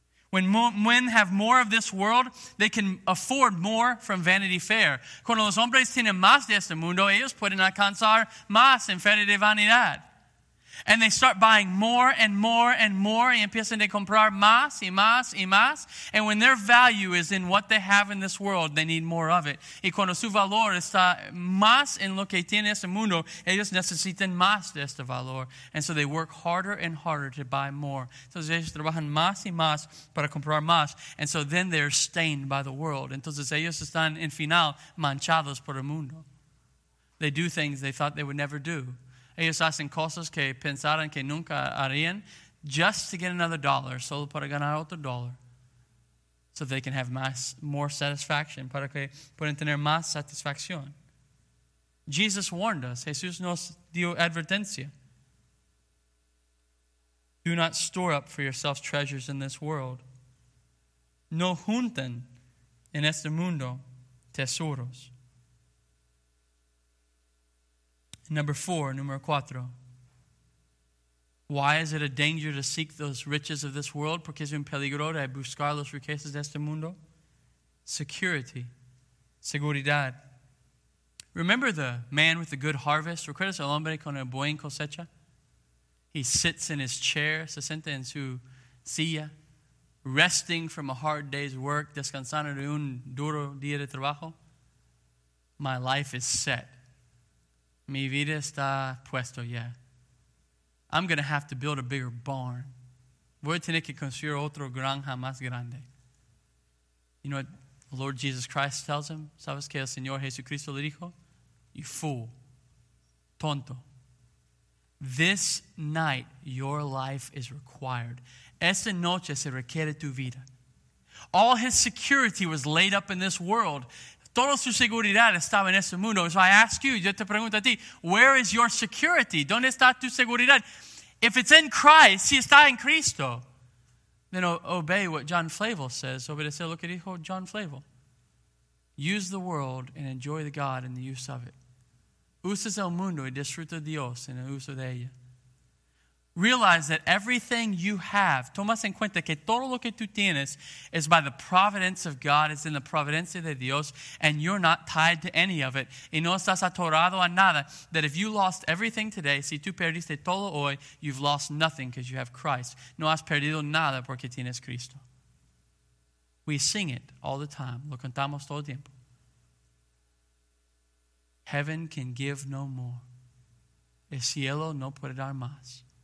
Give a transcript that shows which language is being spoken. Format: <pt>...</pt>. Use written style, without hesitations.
<en>When men have more of this world, they can afford more from Vanity Fair.</en> <es>Cuando los hombres tienen más de este mundo, ellos pueden alcanzar más en Feria de Vanidad.</es> <en>And they start buying more and more and more</en> <es>y empiezan a comprar más y más y más.</es> <en>And when their value is in what they have in this world, they need more of it.</en> <es>Y cuando su valor está más en lo que tiene este mundo, ellos necesitan más de este valor.</es> <en>And so they work harder and harder to buy more.</en> <es>Entonces ellos trabajan más y más para comprar más.</es> <en>And so then they're stained by the world.</en> <es>Entonces ellos están en final manchados por el mundo.</es> <en>They do things they thought they would never do.</en> <es>Ellos hacen cosas que pensaron que nunca harían</es> <en>just to get another dollar,</en> <es>solo para ganar otro dollar,</es> <en>so they can have more satisfaction,</en> <es>para que puedan tener más satisfacción.</es> <en>Jesus warned us.</en> <es>Jesús nos dio advertencia.</es> <en>Do not store up for yourselves treasures in this world.</en> <es>No junten en este mundo tesoros. Número cuatro.</es> <en>Why is it a danger to seek those riches of this world?</en> <es>Porque es un peligro de buscar los riquezas de este mundo.</es> <en>Security.</en> <es>Seguridad.</es> <en>Remember the man with the good harvest?</en> <es>¿Recuerdas el hombre con el buen cosecha?</es> <en>He sits in his chair,</en> <es>se sienta en su silla,</es> <en>resting from a hard day's work,</en> <es>descansando de un duro día de trabajo.</es> <en>My life is set.</en> <es>Mi vida está puesto ya.</es> <en>I'm going to have to build a bigger barn.</en> <es>Voy a tener que construir otra granja más grande.</es> <en>You know what the Lord Jesus Christ tells him?</en> <es>¿Sabes qué el Señor Jesucristo le dijo?</es> <en>You fool.</en> <es>Tonto.</es> <en>This night, your life is required.</en> <es>Esta noche se requiere tu vida.</es> <en>All his security was laid up in this world.</en> <es>Toda su seguridad estaba en ese mundo.</es> <en>So I ask you,</en> <es>yo te pregunto a ti,</es> <en>where is your security?</en> <es>¿Dónde está tu seguridad?</es> <en>If it's in Christ,</en> <es>si está en Cristo,</es> <en>then obey what John Flavel says.</en> <es>Obedecer lo que dijo John Flavel.</es> <en>Use the world and enjoy the God in the use of it.</en> <es>Uses el mundo y disfruta Dios en el uso de ella.</es> <en>Realize that everything you have,</en> <es>tomas en cuenta que todo lo que tú tienes</es> <en>is by the providence of God, is in the providencia de Dios, and you're not tied to any of it.</en> <es>Y no estás atorado a nada.</es> <en>That if you lost everything today,</en> <es>si tú perdiste todo hoy,</es> <en>you've lost nothing because you have Christ.</en> <es>No has perdido nada porque tienes Cristo.</es> <en>We sing it all the time.</en> <es>Lo cantamos todo el tiempo.</es> <en>Heaven can give no more.</en> <es>El cielo no puede dar más.</es>